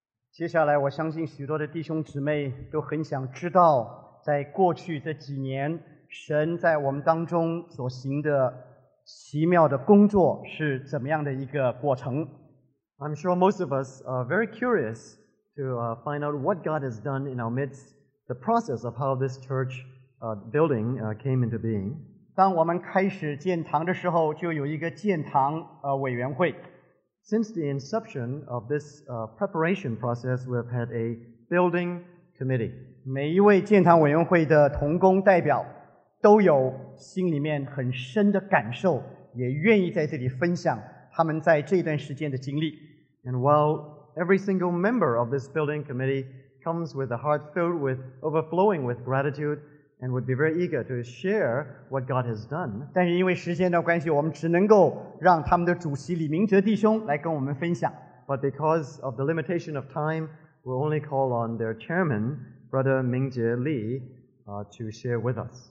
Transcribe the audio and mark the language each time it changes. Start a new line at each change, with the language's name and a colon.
Chinese: 接下来我相信许多的弟兄姊妹都很想知道，在过去这几年神在我们当中所行的奇妙的工作是怎么样的一个过程。
English: I'm sure most of us are very curious to find out what God has done in our midst, the process of how this church building came into being.
Chinese: 当我们开始建堂的时候，就有一个建堂委员会。
English: Since the inception of this preparation process, we have had a building committee.
Chinese: 每一位建堂委员会的同工代表都有心里面很深的感受，也愿意在这里分享他们在这段时间的经历。
English: And while every single member of this building committee comes with a heart filled with overflowing with gratitude and would be very eager to share what God has done,
Chinese: 但是因为时间的关系，我们只能够让他们的主席李明哲弟兄来跟我们分享。
English: But because of the limitation of time, we'll only call on their chairman, Brother Mingjie Lee,to share with us.